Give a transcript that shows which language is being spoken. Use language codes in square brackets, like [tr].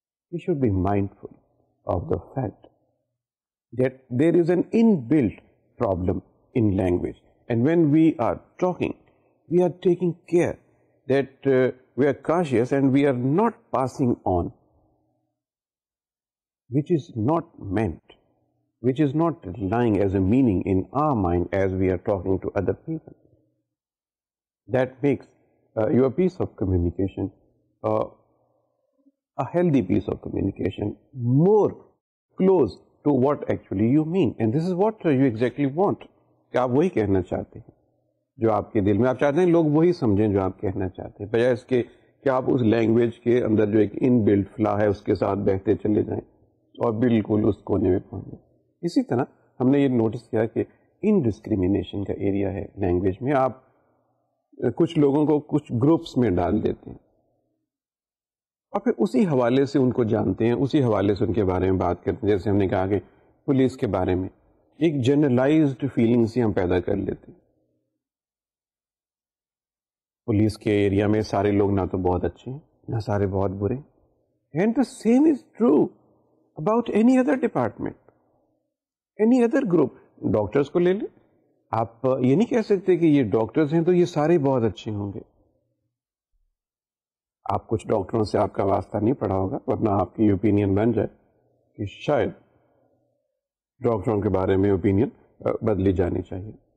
[en] We should be mindful of the fact that there is an inbuilt problem in language, and when we are talking, we are taking care that we are cautious and we are not passing on which is not meant, which is not lying as a meaning in our mind as we are talking to other people. That makes your piece of communication a healthy piece of communication, more close to what actually you mean. And this is what you exactly want. [ur] کہ آپ وہی کہنا چاہتے ہیں جو آپ کے دل میں, آپ چاہتے ہیں لوگ وہی سمجھیں جو آپ کہنا چاہتے ہیں, بجائے اس کے کہ آپ اس لینگویج کے اندر جو ایک ان بلڈ فلا ہے اس کے ساتھ بہتے چلے جائیں اور بالکل اس کونے میں پہنچ جائیں. اسی طرح ہم نے یہ نوٹس کیا کہ ان ڈسکریمنیشن کا ایریا ہے لینگویج میں. آپ کچھ لوگوں کو کچھ گروپس میں ڈال دیتے ہیں اور پھر اسی حوالے سے ان کو جانتے ہیں, اسی حوالے سے ان کے بارے میں بات کرتے ہیں. جیسے ہم نے کہا کہ پولیس کے بارے میں ایک جنرلائزڈ فیلنگ سے ہم پیدا کر لیتے ہیں, پولیس کے ایریا میں سارے لوگ نہ تو بہت اچھے ہیں نہ سارے بہت برے. [en] And the same is true about any other department, any other group. [ur] Doctors کو لے لیں, آپ یہ نہیں کہہ سکتے کہ یہ ڈاکٹرز ہیں تو یہ سارے بہت اچھے ہوں گے. آپ کچھ ڈاکٹروں سے آپ کا واسطہ نہیں پڑا ہوگا, ورنہ آپ کی اوپینین بن جائے کہ شاید ڈاکٹروں کے بارے میں اوپینین بدلی جانی چاہیے.